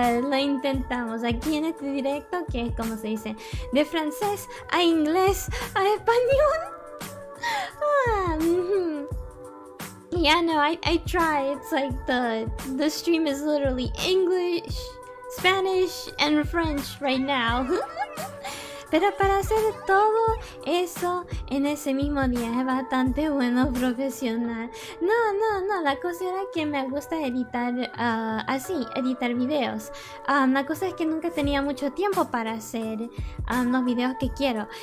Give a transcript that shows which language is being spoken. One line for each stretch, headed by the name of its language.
Spanish: Lo intentamos aquí en este directo, que es como se dice, de francés a inglés a español.
English: Yeah, no, I try. It's like the stream is literally English, Spanish, and French right now.
Spanish: Pero para hacer todo eso en ese mismo día es bastante bueno, profesional. No, la cosa era que me gusta editar editar videos. La cosa es que nunca tenía mucho tiempo para hacer los videos que quiero.